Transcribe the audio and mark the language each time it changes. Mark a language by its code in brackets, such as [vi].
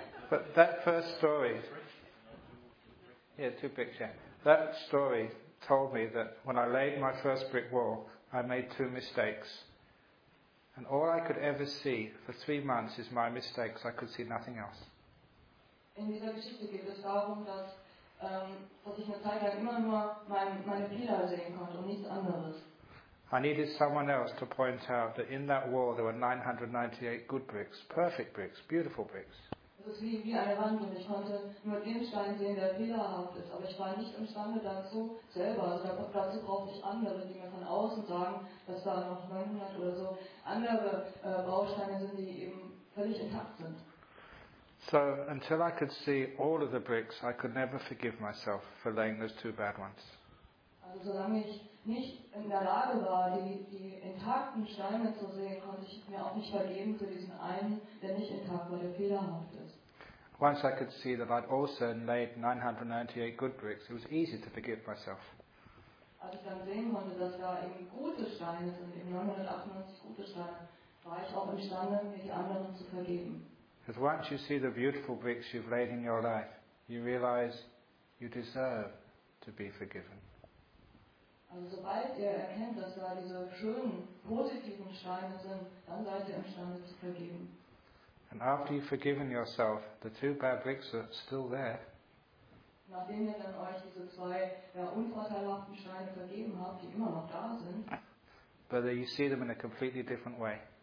[en] But that first story, yeah, two bricks, yeah. That story told me that when I laid my first brick wall, I made two mistakes. And all I could ever see for 3 months is my mistakes. I could see nothing else. [de] In dieser Geschichte geht es darum, dass ich eine Zeit lang immer nur meine Fehler sehen konnte und nichts anderes. [en] I needed someone else to point out that in that wall there were 998 good bricks, perfect bricks, beautiful bricks. [de] Es ist wie eine Wand und ich konnte nur den Stein sehen, der fehlerhaft ist. Aber ich war nicht imstande dazu selber. Also dazu brauchte ich andere, die mir von außen sagen, dass da noch 900 oder so andere Bausteine sind, die eben völlig intakt sind. [en] So until I could see all of the bricks, I could never forgive myself for laying those two bad ones. [de] Also solange ich nicht in der Lage war, die intakten Steine zu sehen, konnte ich mir auch nicht vergeben für diesen einen, der nicht intakt war, der fehlerhaft ist. [en] Once I could see that I'd also laid 998 good bricks, it was easy to forgive myself. [de] Als ich dann sehen konnte, dass da eben gute Steine sind, eben 998 gute Steine, war ich auch imstande, mir die anderen zu vergeben. [en] Because once you see the beautiful bricks you've laid in your life, you realize you deserve to be forgiven. [de] Also sobald ihr erkennt, dass da diese schönen, positiven Steine sind, dann seid ihr imstande zu vergeben. [en] And after you've forgiven yourself, the two bad bricks are still there. [de] Nachdem ihr dann euch diese zwei unvorteilhaften Steine vergeben habt, die immer noch da sind, [en] but you see them in a completely different way.